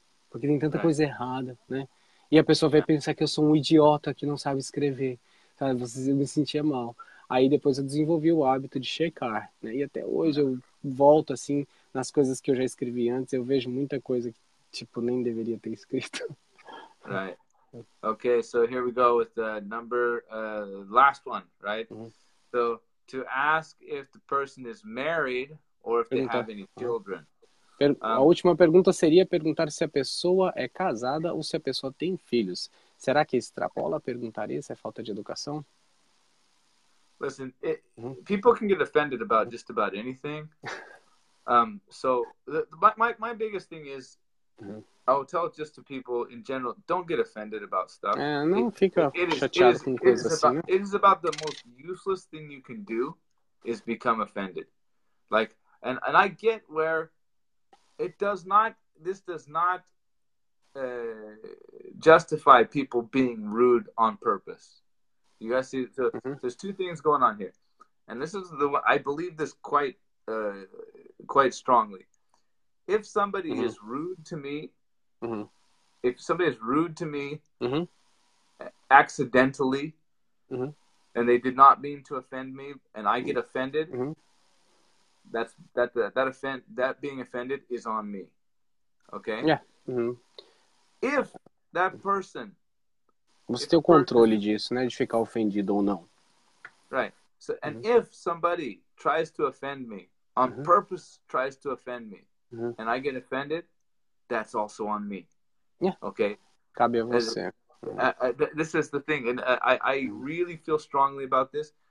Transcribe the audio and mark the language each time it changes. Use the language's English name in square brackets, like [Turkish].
[Portuguese] Porque tem tanta coisa errada, né? E a pessoa vai pensar que eu sou um idiota que não sabe escrever. Eu me sentia mal. Aí depois eu desenvolvi o hábito de checar, né? E até hoje eu volto assim nas coisas que eu já escrevi antes, eu vejo muita coisa que, tipo, nem deveria ter escrito. [English] Right. Okay, so here we go with the number, last one, right? Mm-hmm. So, to ask if the person is married or if they have any children. [Portuguese] A última pergunta seria perguntar se a pessoa é casada ou se a pessoa tem filhos. Será que extrapola perguntar isso? É falta de educação? [English] Listen, people can get offended about just about anything. So my biggest thing is, I will tell just to people in general, don't get offended about stuff. It is about the most useless thing you can do is become offended. Like, and I get where this does not justify people being rude on purpose. You guys see, so there's two things going on here. And this is the one, I believe this quite strongly. If somebody is rude to me, if somebody is rude to me accidentally, and they did not mean to offend me, and I get offended, that being offended is on me. Okay? Yeah. If that person... [Portuguese] Você tem o controle disso, né? De ficar ofendido ou não. [English] Right. So, and if somebody tries to offend me, on purpose tries to offend me, and I get offended, that's also on me. Yeah. Okay? [Portuguese] Cabe a você. [English] This is the thing. And I really feel strongly about this.